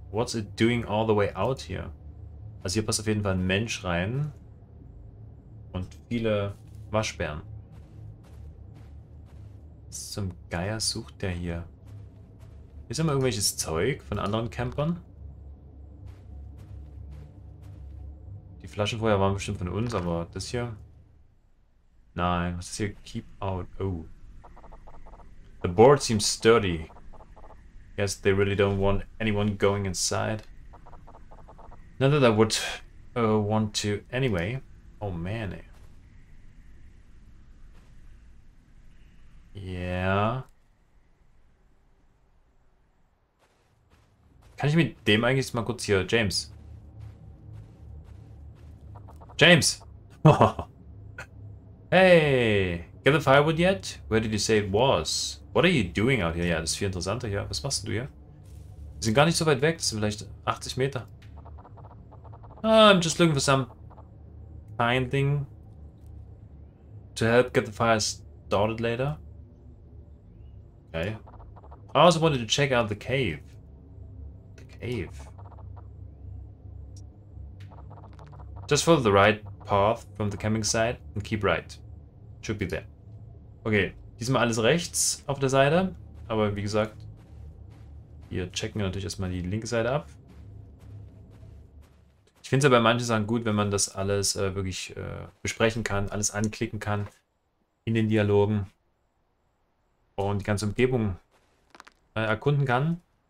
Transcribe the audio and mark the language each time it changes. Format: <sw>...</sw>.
<en>What's it doing all the way out here?</en> <de>Also hier passt auf jeden Fall ein Mensch rein. Und viele Waschbären. Was zum Geier sucht der hier? Ist immer irgendwelches Zeug von anderen Campern? Die Flaschen vorher waren bestimmt von uns, aber das hier? Nein, was ist hier?</de> <en>Keep out. Oh. The board seems sturdy. Yes, they really don't want anyone going inside. Not that I would want to anyway. Oh man. Yeah.</en> <de>Kann ich mit dem eigentlich mal kurz hier, James? James!</de> <en>Hey! Get the firewood yet? Where did you say it was? What are you doing out here?</en> <de>Ja, das ist viel interessanter hier. Was machst du hier? Wir sind gar nicht so weit weg. Das sind vielleicht 80 Meter.</de> <en>Oh, I'm just looking for some kind thing to help get the fire started later. Okay. I also wanted to check out the cave. The cave. Just follow the right path from the camping site and keep right. Should be there.</en> <de>Okay, diesmal alles rechts auf der Seite. Aber wie gesagt, wir checken natürlich erstmal die linke Seite ab. Ich finde es ja bei manchen Sachen gut, wenn man das alles wirklich besprechen kann, alles anklicken kann in den Dialogen und die ganze Umgebung erkunden kann.</de>